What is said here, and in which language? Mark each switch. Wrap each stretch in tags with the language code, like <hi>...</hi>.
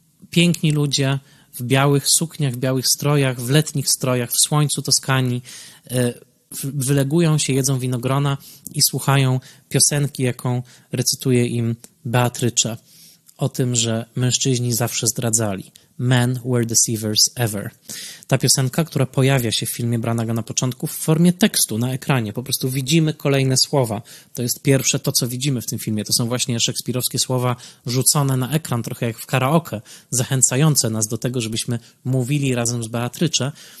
<pl>Piękni ludzie w białych sukniach, w białych strojach, w letnich strojach, w słońcu Toskanii. Wylegują się, jedzą winogrona i słuchają piosenki, jaką recytuje im Beatrycze o tym, że mężczyźni zawsze zdradzali.</pl> <en>Men Were Deceivers Ever.</en> <pl>Ta piosenka, która pojawia się w filmie Branaga na początku w formie tekstu na ekranie. Po prostu widzimy kolejne słowa. To jest pierwsze to, co widzimy w tym filmie. To są właśnie szekspirowskie słowa rzucone na ekran, trochę jak w karaoke, zachęcające nas do tego, żebyśmy mówili razem z Beatrycze.</pl>